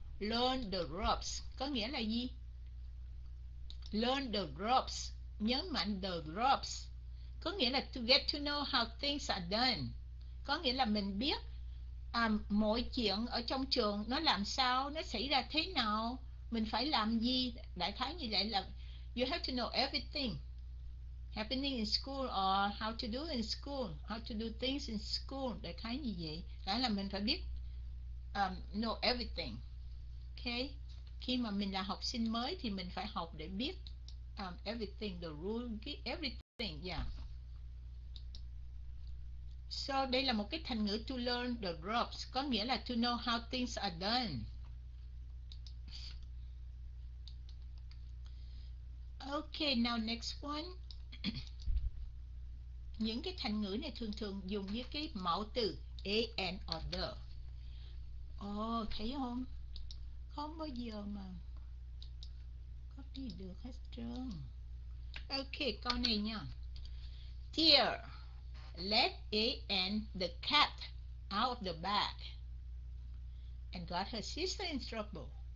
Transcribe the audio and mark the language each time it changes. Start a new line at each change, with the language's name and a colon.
Vietnamese: Learn the ropes có nghĩa là gì? Learn the ropes, nhấn mạnh the ropes có nghĩa là
English: to get to know how things are done,
Vietnamese: có nghĩa là mình biết mọi chuyện ở trong trường nó làm sao, nó xảy ra thế nào, mình phải làm gì. Đại khái như vậy là
English: you have to know everything happening in school or how to do in school, how to do things in school.
Vietnamese: Đại khái như vậy đại là mình phải biết
English: know everything.
Vietnamese: Okay. Khi mà mình là học sinh mới thì mình phải học để biết
English: everything, the rule, everything.
Vietnamese: Yeah.
English: So
Vietnamese: đây là một cái thành ngữ
English: to learn the ropes
Vietnamese: có nghĩa là
English: to know how things are done. Okay, now next one.
Vietnamese: Những cái thành ngữ này thường thường dùng với cái mẫu từ a and or the. Oh, thấy không? Không bao giờ mà copy được hết trơn. Ok, câu này nha.
English: Dear, let A and the cat out of the bag and got her sister in trouble.